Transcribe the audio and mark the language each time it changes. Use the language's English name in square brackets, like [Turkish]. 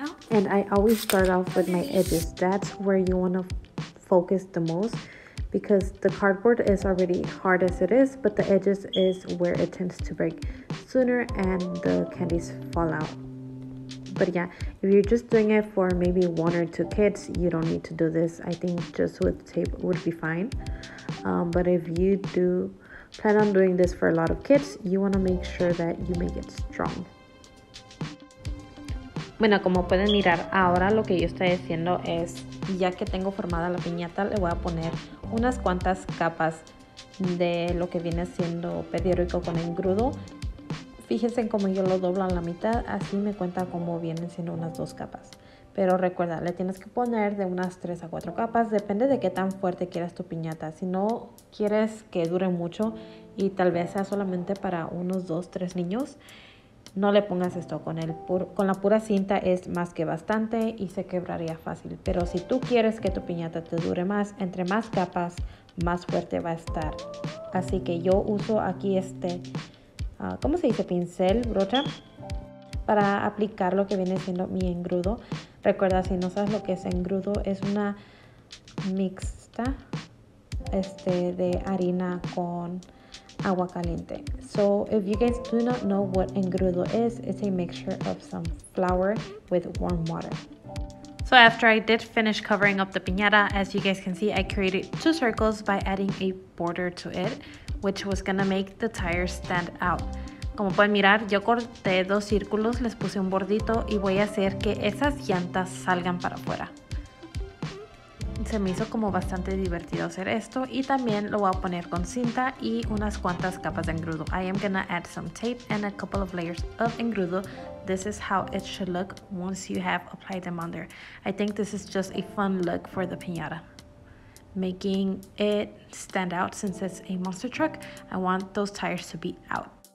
[English] And I always start off with my edges. That's where you want to focus the most because the cardboard is already hard as it is, but the edges is where it tends to break sooner and the candies fall out. But yeah, if you're just doing it for maybe 1 or 2 kids, you don't need to do this. I think just with tape would be fine. But if you do plan on doing this for a lot of kids, you want to make sure that you make it strong. [Spanish] Bueno, como pueden mirar, ahora lo que yo estoy haciendo es, ya que tengo formada la piñata, le voy a poner unas cuantas capas de lo que viene siendo periódico con engrudo. Fíjense en cómo yo lo doblo a la mitad, así me cuenta cómo vienen siendo unas 2 capas. Pero recuerda, le tienes que poner de unas 3 a 4 capas, depende de qué tan fuerte quieras tu piñata. Si no quieres que dure mucho y tal vez sea solamente para unos 2 o 3 niños, no le pongas esto, con la pura cinta es más que bastante y se quebraría fácil. Pero si tú quieres que tu piñata te dure más, entre más capas, más fuerte va a estar. Así que yo uso aquí este, ¿cómo se dice? Pincel, brocha, para aplicar lo que viene siendo mi engrudo. Recuerda, si no sabes lo que es engrudo, es una mixta de harina con agua caliente. [English] So if you guys do not know what engrudo is, it's a mixture of some flour with warm water. So after I did finish covering up the piñata, as you guys can see, I created 2 circles by adding a border to it, which was gonna make the tires stand out. [Spanish] Como pueden mirar, yo corté 2 círculos, les puse un bordito y voy a hacer que esas llantas salgan para afuera. Se me hizo como bastante divertido hacer esto y también lo voy a poner con cinta y unas cuantas capas de engrudo. [English] I am gonna add some tape and a couple of layers of engrudo. This is how it should look once you have applied them on there. I think this is just a fun look for the piñata. making it stand out since it's a monster truck. I want those tires to be out.